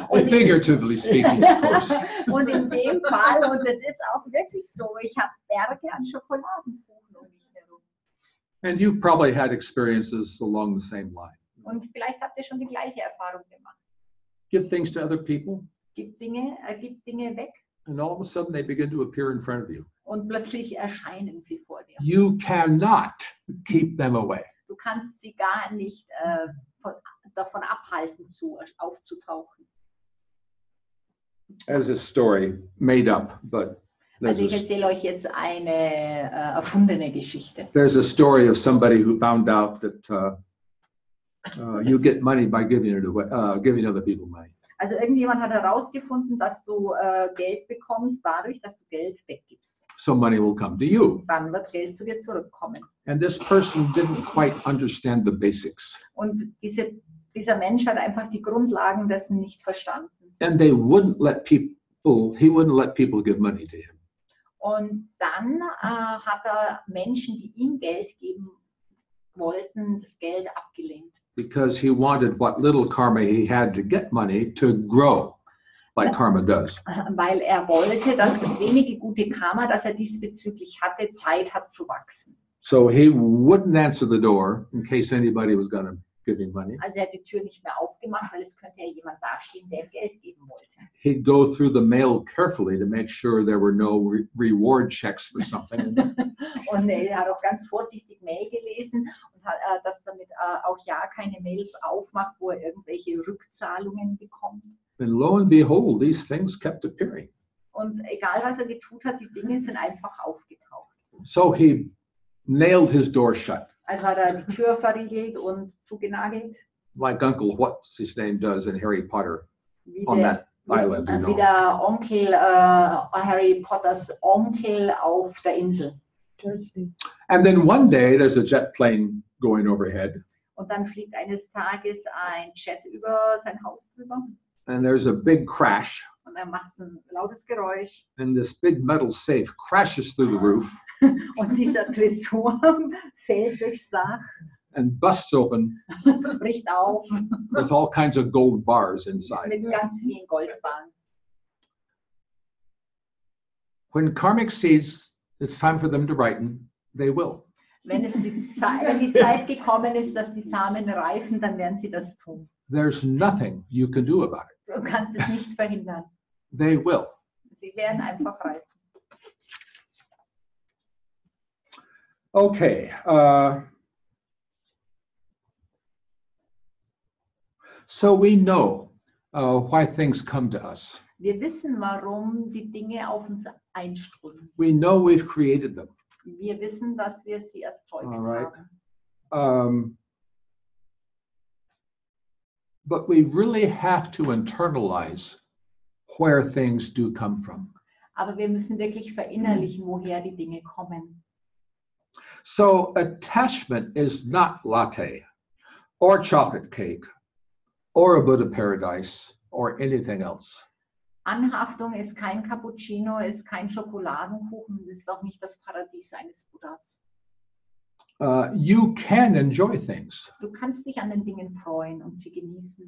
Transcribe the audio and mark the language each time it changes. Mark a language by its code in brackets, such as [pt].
[en] figuratively speaking, of course. [de] Und in dem Fall, und das ist auch wirklich so, ich habe Berge an Schokoladenkuchen um mich herum. [en] And you probably had experiences along the same line. [de] Und vielleicht habt ihr schon die gleiche Erfahrung gemacht. [en] Give things to other people. [de] Gib Dinge weg. [en] And all of a sudden they begin to appear in front of you. [de] Und plötzlich erscheinen sie vor dir. [en] You cannot keep them away. [de] Du kannst sie gar nicht davon abhalten, aufzutauchen. [en] As a story, made up, but [de] also ich erzähle euch jetzt eine erfundene Geschichte. [en] There's a story of somebody who found out that you get money by giving other people money. [de] Also irgendjemand hat herausgefunden, dass du Geld bekommst dadurch, dass du Geld weggibst. [en] So money will come to you. [de] Dann wird Geld zu dir zurückkommen. [en] And this person didn't quite understand the basics. [de] Und dieser Mensch hat einfach die Grundlagen dessen nicht verstanden. [en] And they wouldn't let people, he wouldn't let people give money to him. [de] Und dann hat er Menschen, die ihm Geld geben wollten, das Geld abgelehnt. [en] Because he wanted what little karma he had to get money to grow, like karma does. [de] Weil er wollte, dass das wenige gute Karma, das er diesbezüglich hatte, Zeit hat zu wachsen. [en] So he wouldn't answer the door in case anybody was going to give him money. [de] Also er hat die Tür nicht mehr aufgemacht, weil es könnte ja jemand dastehen, der Geld geben wollte. [en] He'd go through the mail carefully to make sure there were no reward checks for something. [de] Und er hat auch ganz vorsichtig Mail gelesen, und dass damit auch ja keine Mails aufmacht, wo er irgendwelche Rückzahlungen bekommt. [en] And lo and behold, these things kept appearing. [de] Und egal was er getut hat, die Dinge sind einfach aufgetaucht. [en] So he nailed his door shut. [de] Also hat er die Tür verriegelt und zugenagelt. [en] Like Uncle, what's his name, does in Harry Potter on that island. [de] Wie der Onkel, Harry Potters Onkel auf der Insel. [en] And then one day there's a jet plane going overhead. [de] Und dann fliegt eines Tages ein Jet über sein Haus drüber. [en] And there's a big crash. [de] Und er macht ein lautes Geräusch. [en] And this big metal safe crashes through the roof. [de] Und dieser Tresor fällt durchs Dach. [en] And busts open. [de] Bricht auf. [en] With all kinds of gold bars inside. [de] Mit ganz vielen Goldbahnen. [en] When karmic sees it's time for them to ripen, they will. [de] Wenn es die Zeit gekommen ist, dass die Samen reifen, dann werden sie das tun. [en] There's nothing you can do about it. [de] Du kannst es nicht verhindern. [en] They will. [de] Sie werden einfach reifen. [en] Okay. So we know why things come to us. [de] Wir wissen, warum die Dinge auf uns einströmen. [en] We know we've created them. [de] Wir wissen, dass wir sie erzeugt haben. [en] All right. But we really have to internalize where things do come from. [de] Aber wir müssen wirklich verinnerlichen, woher die Dinge kommen. [en] So attachment is not latte or chocolate cake or a Buddha paradise or anything else. [de] Anhaftung ist kein Cappuccino, ist kein Schokoladenkuchen, ist doch nicht das Paradies eines Buddhas. [en] You can enjoy things. [de] Du kannst dich an den Dingen freuen und sie genießen.